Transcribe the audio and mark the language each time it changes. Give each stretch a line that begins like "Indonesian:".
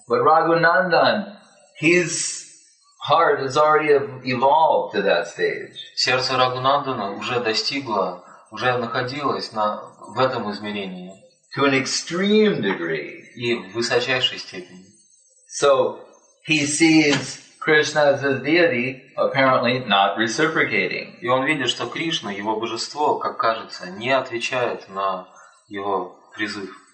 English: But Raghunandan, his heart has already evolved to that stage.
Russian: Сердце Рагунандана уже достигло, уже находилось в этом измерении.
English: To an extreme degree.
Russian: И в высочайшей степени.
English: So he sees Krishna is his deity, apparently not reciprocating.
Russian: И он видит, что Кришна, его божество, как кажется, не отвечает на его призыв.